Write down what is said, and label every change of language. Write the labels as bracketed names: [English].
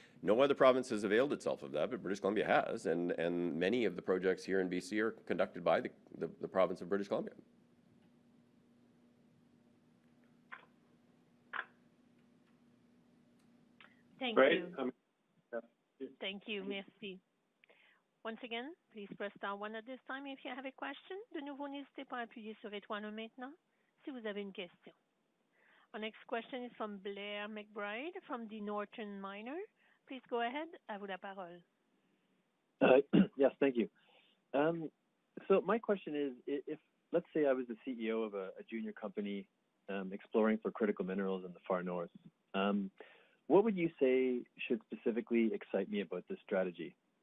[English] No other province has availed itself of that, but British Columbia has, and many of the projects here in BC are conducted by the province of British Columbia. Thank you, merci. Once again, please press star one at this time if you have a question. [French] De nouveau, n'hésitez pas à appuyer sur étoile maintenant si vous avez une question. [English] Our next question is from Blair McBride from the Northern Miner. Please go ahead. [French] À vous la parole. [English] Yes, thank you. So my question is, if let's say I was the CEO of a junior company exploring for critical minerals in the far north, what would you say should specifically excite me about this strategy?